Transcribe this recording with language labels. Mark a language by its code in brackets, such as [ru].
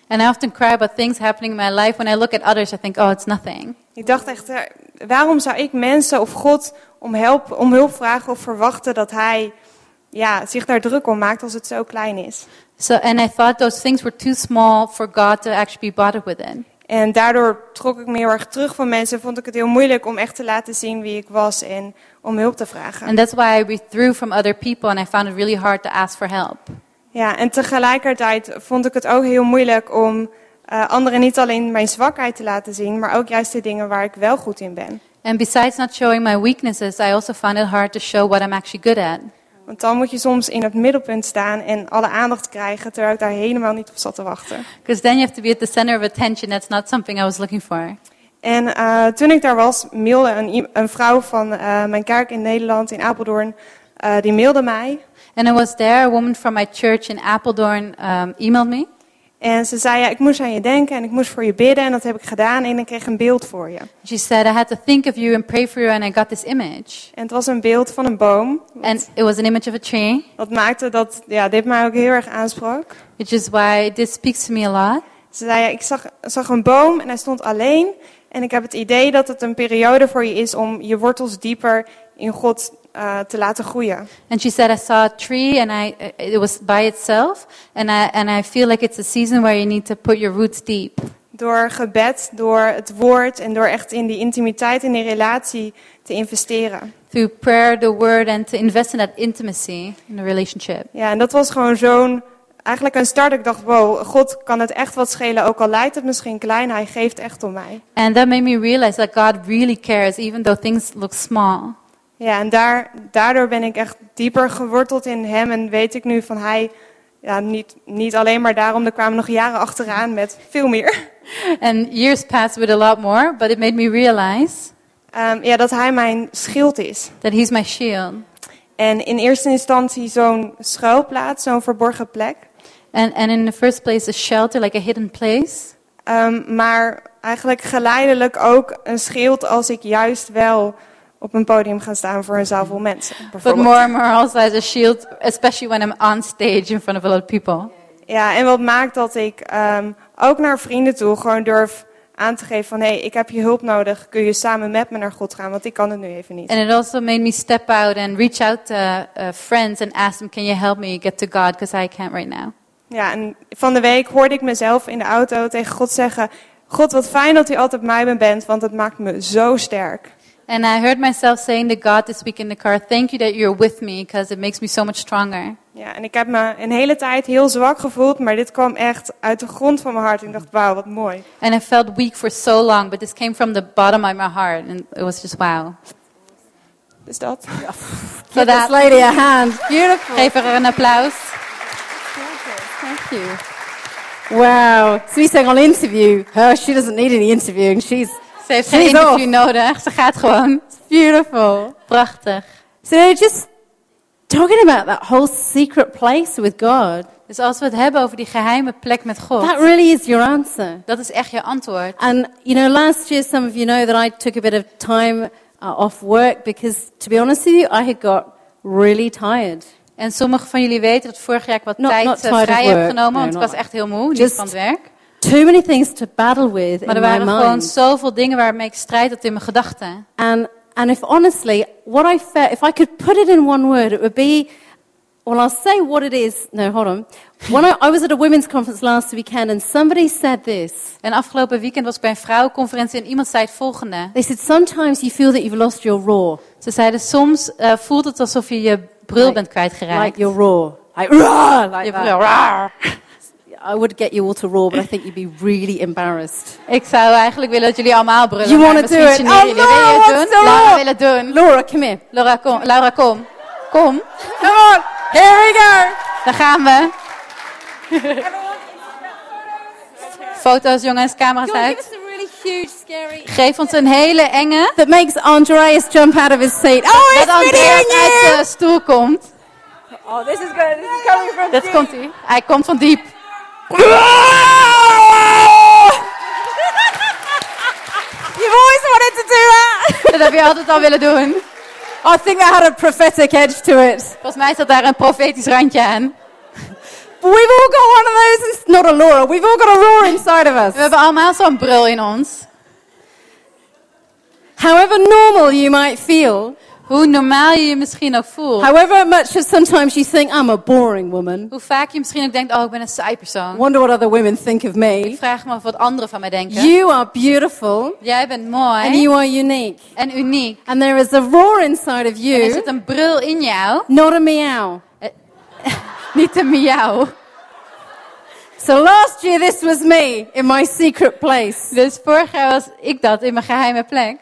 [en] And I often cry about things happening in my life. When I look at others, I think, oh, it's nothing. [nl] Ik dacht echt, waarom zou ik mensen of God om hulp vragen of verwachten dat hij ja, zich daar druk om maakt als het zo klein is. [en] So, and I thought those things were too small for God to actually be bothered with them. [nl] En daardoor trok ik me heel erg terug van mensen, vond ik het heel moeilijk om echt te laten zien wie ik was en om hulp te vragen. [en] And that's why I withdrew from other people and I found it really hard to ask for help. [nl] Ja, en tegelijkertijd vond ik het ook heel moeilijk om anderen niet alleen mijn zwakheid te laten zien, maar ook juist de dingen waar ik wel goed in ben. [en] And besides not showing my weaknesses, I also found it hard to show what I'm actually good at. [nl] Want dan moet je soms in het middelpunt staan en alle aandacht krijgen, terwijl ik daar helemaal niet op zat te wachten. [en] Because then you have to be at the center of attention. That's not something I was looking for. [nl] En toen ik daar was, mailde een vrouw van mijn kerk in Nederland, in Apeldoorn, die mailde mij. [en] And I was there, a woman from my church in Apeldoorn emailed me. [nl] En ze zei, ja, ik moest aan je denken en ik moest voor je bidden en dat heb ik gedaan en ik kreeg een beeld voor je. [en] She said, I had to think of you and pray for you and I got this image. [nl] En het was een beeld van een boom. [en] And it was an image of a tree. [nl] Dat maakte dat, ja, dit mij ook heel erg aansprak. [en] Which is why this speaks to me a lot. [nl] Ze zei, ja, ik zag een boom en hij stond alleen en ik heb het idee dat het een periode voor je is om je wortels dieper in God te laten groeien. [en] And she said, I saw a tree and it was by itself and I feel like it's a season where you need to put your roots deep. [nl] Door gebed, door het woord en door echt in die intimiteit en in die relatie te investeren. [en] Through prayer, the word and to invest in that intimacy in the relationship. [nl] Ja, en dat was gewoon zo'n eigenlijk een start. Ik dacht, wow, God kan het echt wat schelen, ook al lijkt het misschien klein. Hij geeft echt om mij. [en] And that made me realize that God really cares, even though things look small. [nl] Ja, en daardoor ben ik echt dieper geworteld in hem en weet ik nu van hij, ja, niet alleen maar daarom, er kwamen nog jaren achteraan met veel meer. [en] And years passed with a lot more, but it made me realize. [nl] Ja, dat hij mijn schild is. [en] That he's my shield. [nl] En in eerste instantie zo'n schuilplaats, zo'n verborgen plek. [en] And in the first place a shelter, like a hidden place. [nl] Maar eigenlijk geleidelijk ook een schild als ik juist wel op een podium gaan staan voor een zaal vol mensen. [en] But more and more also as a shield, especially when I'm on stage in front of a lot of people. [nl] Ja, en wat maakt dat ik ook naar vrienden toe gewoon durf aan te geven van, hey, ik heb je hulp nodig. Kun je samen met me naar God gaan? Want ik kan het nu even niet. [en] And it also made me step out and reach out to friends and ask them, can you help me get to God? Because I can't right now. [nl] Ja, en van de week hoorde ik mezelf in de auto tegen God zeggen, God, wat fijn dat u altijd bij me bent, want het maakt me zo sterk. [en] And I heard myself saying to God this week in the car, thank you that you're with me, because it makes me so much stronger. [nl] Ja, en ik heb me een hele tijd heel zwak gevoeld, maar dit kwam echt uit de grond van mijn hart. Ik dacht, wauw, wat mooi. [en] And I felt weak for so long, but this came from the bottom of my heart, and it was just wow. [nl] Is dat? [en] Ja. Give this lady a hand. Beautiful. [nl] Geef haar een applaus. [en] Thank you. Wow. So we're saying on interview, she doesn't need any interview, and she's... [nl] Ze heeft geen interview nodig. Ze gaat gewoon. [en] Beautiful. [nl] Prachtig. [en] So just talking about that whole secret place with God. [nl] Dus als we het hebben over die geheime plek met God. [en] That really is your answer. [nl] Dat is echt je antwoord. [en] And you know, last year some of you know that I took a bit of time off work because, to be honest with you, I had got really tired. [nl] En sommigen van jullie weten dat vorig jaar ik wat tijd vrij heb genomen, want ik was echt heel moe, niet van het werk. [en] Too many things to battle with in my mind. [nl] Maar er waren gewoon zoveel dingen waarmee ik strijd had in mijn gedachten. [en] And if honestly, what I felt, if I could put it in one word, it would be, well, I'll say what it is. No, hold on. When I was at a women's conference last weekend and somebody said this. [nl] En afgelopen weekend was ik bij een vrouwenconferentie en iemand zei het volgende. [en] They said, sometimes you feel that you've lost your roar. [nl] Ze zeiden, soms voelt het alsof je brul bent kwijtgeraakt. [en] Like your roar. Like roar. Like [nl] je brul, roar. [en] I would get you all to roar, but I think you'd be really embarrassed. [nl] Ik zou eigenlijk willen dat jullie allemaal brullen. [en] You want to do it? [nl] Jullie, oh, Laura, wil je doen? [en] So [nl] Laura wil het doen. [en] Laura, come here. [nl] Laura, kom. Laura, kom. Kom. [en] Come on. Here we go. [nl] Daar gaan we. Foto's, jongens, camera's God, uit. [en] Really huge, scary... [nl] Geef ons een hele enge. [en] That makes Andreas jump out of his seat. Oh, [nl] dat Andreas uit de stoel komt. [en] Oh, this is good. This is coming from [nl] deep. Dat komt hij. Hij komt van diep. [en] You've always wanted to do that. [nl] Dat heb je altijd al willen doen. [en] I think that had a prophetic edge to it. [nl] Volgens mij zat daar een profetisch randje aan. [en] But we've all got one of those. Not a Laura. We've all got a roar inside of us. [nl] We hebben allemaal zo'n brul in ons. [en] However normal you might feel. [nl] Hoe normaal je je misschien ook voelt. [en] However much as sometimes you think I'm a boring woman. [nl] Hoe vaak je misschien ook denkt, oh, ik ben een saai persoon. [en] Wonder what other women think of me. [nl] Ik vraag me af wat anderen van mij denken. [en] You are beautiful. [nl] Jij bent mooi. [en] And you are unique. [nl] En uniek. [en] And there is a roar inside of you. [nl] En er zit een brul in jou. [en] Not a meow. [nl] Niet een miauw. [en] So last year this was me in my secret place. [nl] Dus vorig jaar was ik dat in mijn geheime plek.